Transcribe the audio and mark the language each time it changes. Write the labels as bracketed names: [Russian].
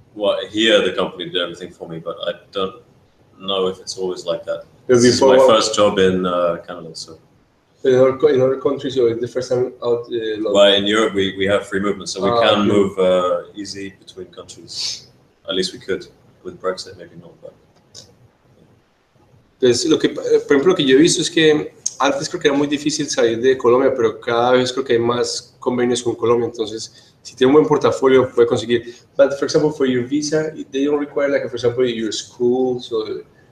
[English] Well, here the company do everything for me, but I don't know if it's always like that. Before, this is my first job in Canada, so. In other countries, or the first time out? In Europe, we have free movement, so we can move easy between countries. At least we could with Brexit, maybe not, but. [Spanish] Entonces, por ejemplo, lo que yo he visto es que antes creo que era muy difícil salir de Colombia, pero cada vez creo que hay más convenios con Colombia. Entonces, si tiene un buen portafolio, puede conseguir. [English] But for example, for your visa, they don't require, like, for example, your school, so.